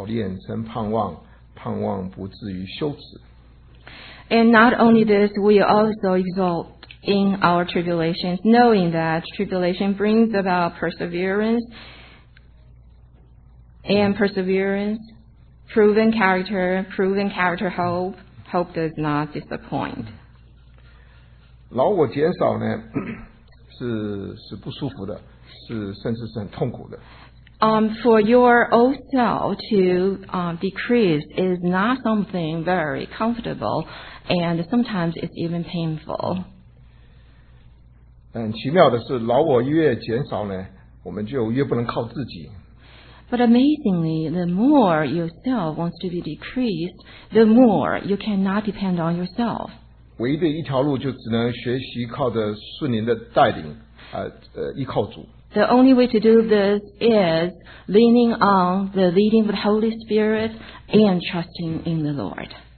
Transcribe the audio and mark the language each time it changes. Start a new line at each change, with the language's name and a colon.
Chinese: 就是在患难中也是欢欢喜喜的，因为知道患难生忍耐，忍耐生老练，老练生盼望，盼望不至于羞耻。
English: And not only this, we also exult in our tribulations, knowing that tribulation brings about perseverance, and perseverance, proven character hope. Hope does not disappoint.
Chinese: 老我减少呢, 是不舒服的, 是甚至是很痛苦的。
English: For your old self to decrease is not something very comfortable, and sometimes it's even painful.
Chinese: 很奇妙的是, 老我越减少呢, 我们就越不能靠自己。
English: But amazingly, the more yourself wants to be decreased, the more you cannot depend on yourself.
Chinese: 唯一的一条路就只能学习靠着圣灵的带领, 依靠主。
English: The only way to do this is leaning on the leading of the Holy Spirit and trusting in the Lord.